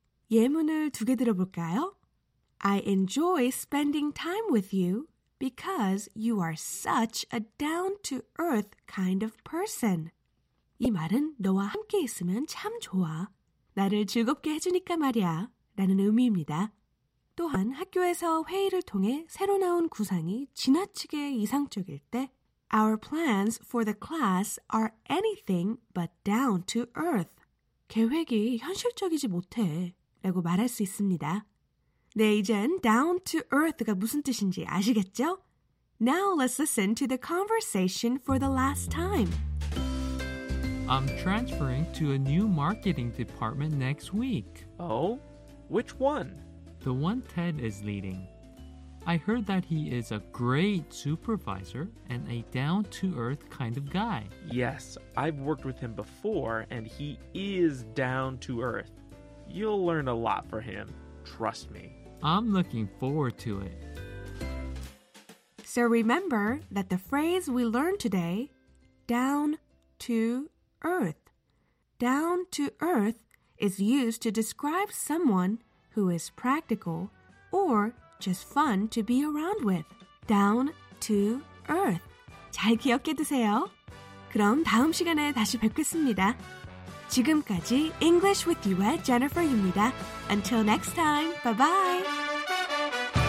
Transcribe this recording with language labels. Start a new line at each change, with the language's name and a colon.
Korean: 예문을 두 개 들어볼까요?
English: I enjoy spending time with you because you are such a down-to-earth kind of person.
Korean: 이 말은 너와 함께 있으면 참 좋아, 나를 즐겁게 해주니까 말이야 라는 의미입니다. 또한 학교에서 회의를 통해 새로 나온 구상이 지나치게 이상적일 때
English: Our plans for the class are anything but down to earth.
Korean: 계획이 현실적이지 못해 라고 말할 수 있습니다. 네, 이젠 down to earth가 무슨 뜻인지 아시겠죠?
English: Now let's listen to the conversation for the last time. I'm transferring to a new marketing department next week. Oh? Which one? The one Ted is leading. I heard that he is a great supervisor and a down-to-earth kind of guy. Yes, I've worked with him before and he is down-to-earth. You'll learn a lot from him, trust me. I'm looking forward to it. So remember that the phrase we learned today, down-to-earth. Down-to-earth is used to describe someone who is practical, or just fun to be around with. Down to earth.
Korean: 잘 기억해 두세요. 그럼 다음 시간에 다시 뵙겠습니다. 지금까지 English with You의 Jennifer입니다.
English: Until next time, bye-bye.